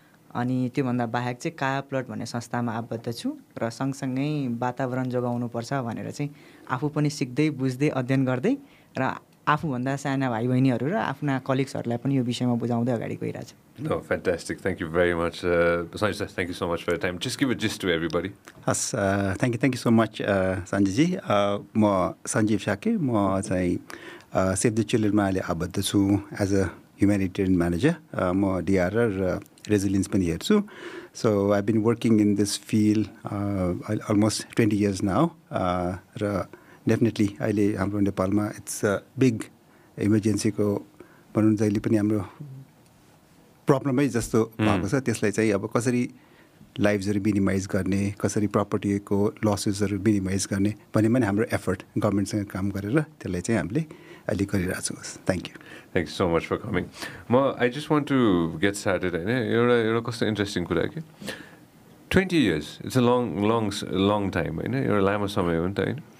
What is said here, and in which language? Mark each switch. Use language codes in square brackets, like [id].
[ne] अनि त्योभन्दा बाहेक चाहिँ काया प्लट भन्ने संस्थामा आबद्ध छु र सँगसँगै वातावरण जोगाउनु पर्छ भनेर चाहिँ आफू पनि सिक्दै बुझ्दै अध्ययन गर्दै र आफूभन्दा साना भाइ बहिनीहरू र आफ्ना कलिग्सहरूलाई पनि यो विषयमा बुझाउँदै अगाडि गइरहेको छ. [en] No, fantastic. Thank you very much. Sanjay, thank you so much for your time. Just give a gist to everybody. Yes, thank you so much, Sanjay ji. [ne] Ma Sanjeev Shake, ma chai Save the Children ma le abaddh chu [en] as a humanitarian manager. [ne] Ma DRR resilience pani herchu. [en] So I've been working in this field almost 20 years now. [ne] Ra definitely aile hamro Nepal ma [en] it's a big emergency [ne] ko bhanun jaili pani hamro प्रब्लमै जस्तो भएको छ. त्यसलाई चाहिँ अब कसरी लाइफ्सहरू minimise गर्ने, कसरी प्रपर्टीको लसेसहरू minimise गर्ने भन्ने पनि हाम्रो एफर्ट गभर्मेन्टसँग काम गरेर त्यसलाई चाहिँ हामीले अहिले गरिरहेछौँ. [en] Thank you. Thank you so much for coming. म I just want to get started [ne] होइन, एउटा कस्तो इन्ट्रेस्टिङ कुरा कि [en] 20 years, it's a long time [ne] होइन, एउटा लामो समय हो नि त होइन.